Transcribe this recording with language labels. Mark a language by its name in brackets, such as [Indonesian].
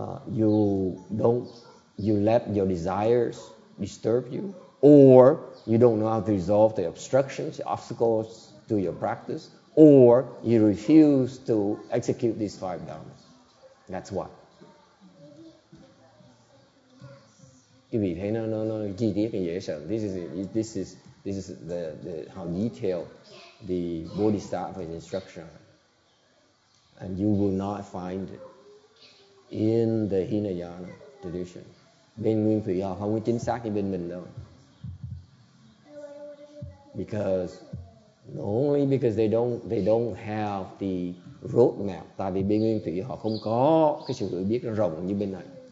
[English] You let your desires disturb you, or you don't know how to resolve the obstructions, the obstacles to your practice, or you refuse to execute these five dharmas. That's why. [Vietnamese] Quý vị thấy nó chi tiết dễ sợ. [English] This is the how detailed the Bodhisattva's instruction, and you will not find it in the Hinayana tradition. [Vietnamese] Bên Nguyên Thủy họ không có chính xác như bên mình đâu. [English] Because only because they don't have the roadmap. [Vietnamese] Tại vì bên Nguyên Thủy họ không có cái sự hiểu biết rộng như bên này.